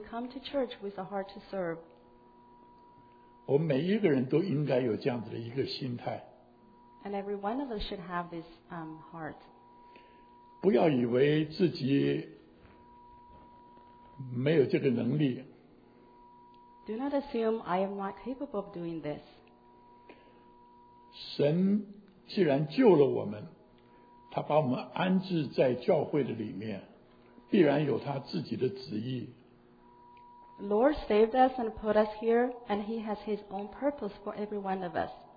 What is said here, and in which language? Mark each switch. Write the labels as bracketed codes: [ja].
[en] come to church with a heart to serve. [zh] 我们每一个人都应该有这样子的一个心态。 [en] And every one of us should have this heart. [zh] 不要以为自己没有这个能力。 [en] Do not assume I am not capable of doing this. [zh] 神既然救了我们，他把我们安置在教会的里面，必然有他自己的旨意。Lord [en] saved us and put us here, and he has his own purpose for every one of us.